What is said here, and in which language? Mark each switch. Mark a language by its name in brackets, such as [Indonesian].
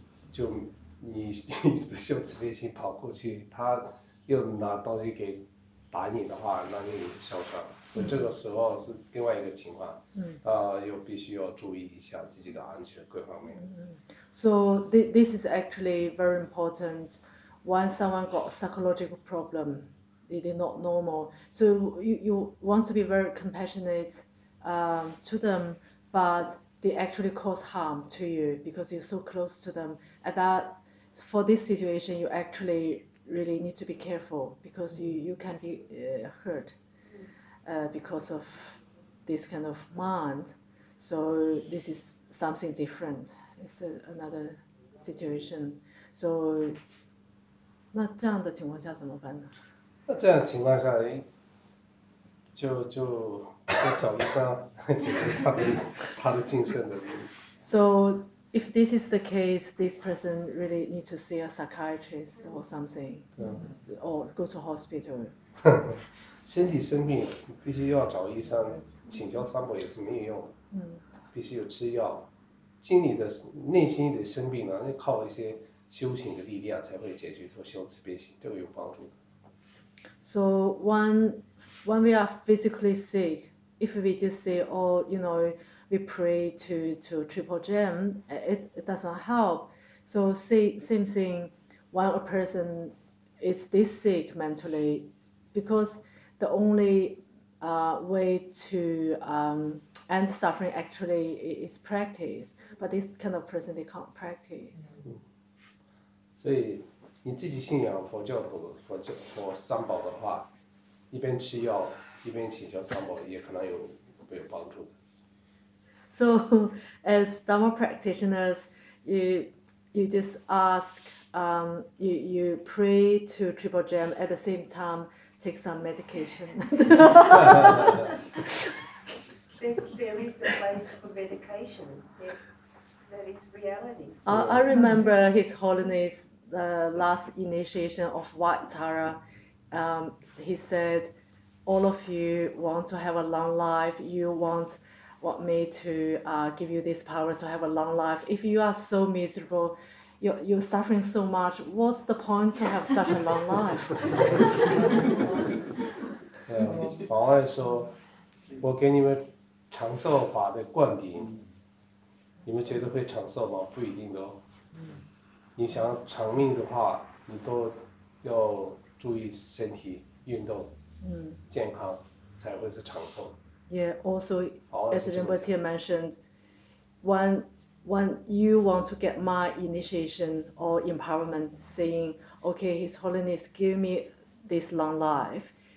[Chinese] 就你修慈悲心跑过去，他又拿东西给打你的话，那你受伤。所以这个时候是另外一个情况，又必须要注意一下自己的安全各方面。 [English] So this is actually very important. When someone got psychological problem, it is not normal. So you want to be very compassionate, to them, but. They actually cause harm to you because you're so close to them. And that, for this situation, you actually really need to be careful because you can be hurt because of this kind of mind. So this is something different. It's another situation. So, [Chinese] 那这样的情况下怎么办呢？那这样情况下，就找医生解决他的精神的问题。 [English] So if this is the case, this person really need to see a psychiatrist or something, or go to hospital. [Chinese] 身体生病必须要找医生请教三伯也是没有用的。必须有吃药。心里的内心的生病呢，靠一些修行的力量才会解决，说修慈悲心都有帮助的。 [English] So when we are physically sick, if we just say, oh, you know, we pray to Triple Gem, it doesn't help. So same thing, while a person is this sick mentally, because the only way to end suffering actually is practice. But this kind of person, they can't practice. [Chinese] So,你自己信仰佛教徒的佛三宝的话，一边吃药一边请教三宝，也可能有帮助的。 [English] So as Dharma practitioners, you just ask, you pray to Triple Gem at the same time take some medication. there is a place for medication. That is reality. I remember His Holiness. The last initiation of White Tara, he said, all of you want to have a long life, you want me to give you this power to have a long life. If you are so miserable, you're suffering so much, what's the point to have such a long life? [Chinese] 法外说，我给你们长寿法的灌顶，你们觉得会长寿吗？不一定的哦。你想长命的话，你都要注意身体运动，健康才会是长寿。 [English] Yeah, also as Rinpoche mentioned, when you want to get my initiation or empowerment, saying, "Okay, His Holiness, give me this long life."